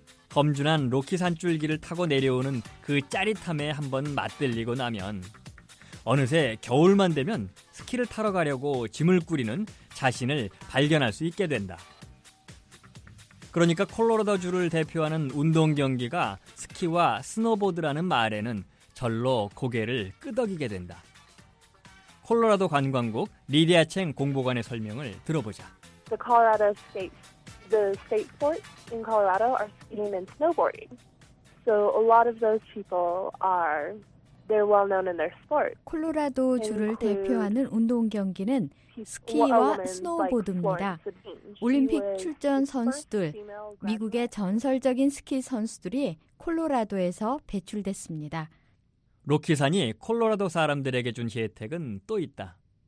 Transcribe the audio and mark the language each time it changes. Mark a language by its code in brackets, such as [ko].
[ko] 검준한 로키산줄기를 타고 내려오는 그 짜릿함에 한번 맛들리고 나면 어느새 겨울만 되면 스키를 타러 가려고 짐을 꾸리는 자신을 발견할 수 있게 된다. 그러니까 콜로라도주를 대표하는 운동경기가 스키와 스노보드라는 말에는 절로 고개를 끄덕이게 된다. 콜로라도 관광국 리디아 챙 공보관의 설명을 들어보자. [en] The Colorado state, the state sports in Colorado are skiing and snowboarding. So a lot of those people are they're well known in their sport. [ko] 콜로라도 주를 대표하는 운동 경기는 스키와 스노보드입니다. 올림픽 출전 선수들, 미국의 전설적인 스키 선수들이 콜로라도에서 배출됐습니다. 로키산이 콜로라도 사람들에게 준 혜택은 또 있다.